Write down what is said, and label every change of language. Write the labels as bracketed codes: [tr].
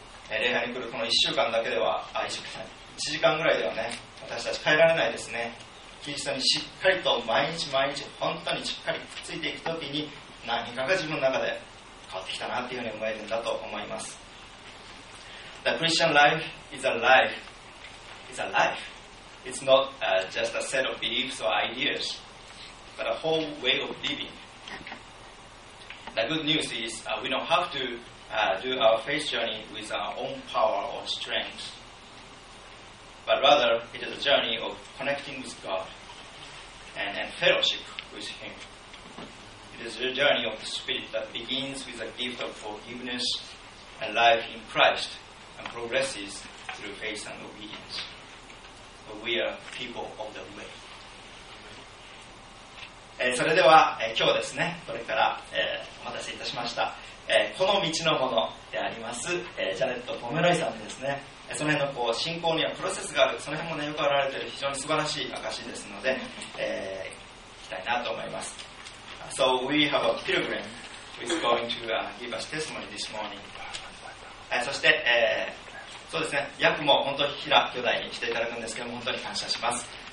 [ja] 礼拝に来るこの1週間だけでは、あ、1週間、1時間ぐらいではね、私たち帰られないですね。キリストにしっかりと毎日毎日本当にしっかりくっついていくときに、何かが自分の中で変わってきたなというふうに思えるんだと思います。 [en] The Christian life is a life. It's a life. It's not just a set of beliefs or ideas, but a whole way of living. The good news is we don't have to do our faith journey with our own power or strength, but rather it is a journey of connecting with God and fellowship with Him. It is the journey of the Spirit that begins with a gift of forgiveness and life in Christ and progresses through faith and obedience. But we are people of the way. [ja] それでは、今日ですね、これから、お待たせいたしました、この道のものであります、ジャネット・ポメロイさんですね、その辺のこう信仰にはプロセスがある、その辺も、ね、よく表れている非常に素晴らしい証ですので、いきたいなと思います。 [en] So we have a pilgrim who is going to give us testimony this morning. [ja] そして、そうですね、ヤクも本当に平巨大に来ていただくんですけども本当に感謝します。